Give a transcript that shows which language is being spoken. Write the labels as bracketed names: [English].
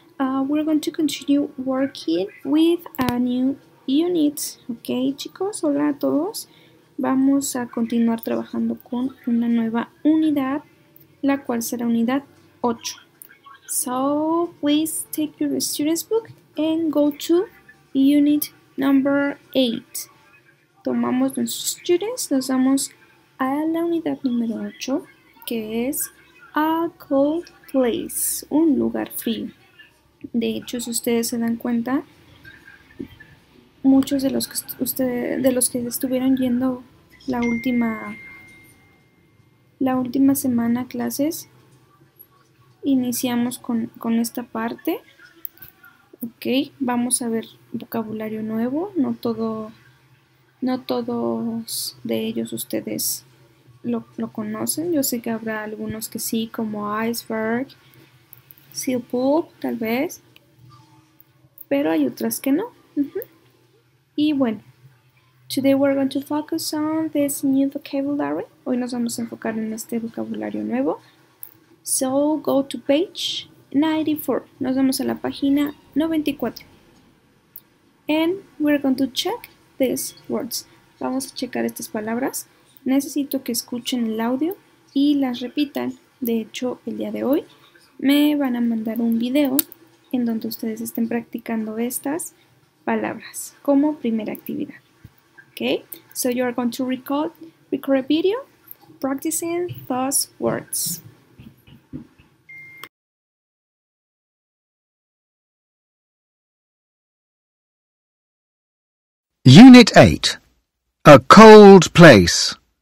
[English] We're going to continue working with a new unit. [Spanish] Ok, chicos, hola a todos. Vamos a continuar trabajando con una nueva unidad, la cual será unidad 8. [English] So, please take your student's book and go to unit number 8. [Spanish] Tomamos nuestros students, nos vamos a la unidad número 8, que es [English] a cold place, [Spanish] un lugar frío. De hecho, si ustedes se dan cuenta, muchos de los que de los que estuvieron yendo la última semana a clases, iniciamos con esta parte. Ok, vamos a ver vocabulario nuevo. No todos de ellos ustedes lo conocen. Yo sé que habrá algunos que sí, como iceberg, seal pool, tal vez. Pero hay otras que no. [English] Y bueno, today we're going to focus on this new vocabulary. [Spanish] Hoy nos vamos a enfocar en este vocabulario nuevo. [English] So, go to page 94. [Spanish] Nos vamos a la página 94. [English] And we're going to check these words. [Spanish] Vamos a checar estas palabras. Necesito que escuchen el audio y las repitan. De hecho, el día de hoy me van a mandar un video en donde ustedes estén practicando estas palabras como primera actividad. [English] Okay? So you are going to record a video practicing those words. Unit 8. A cold place.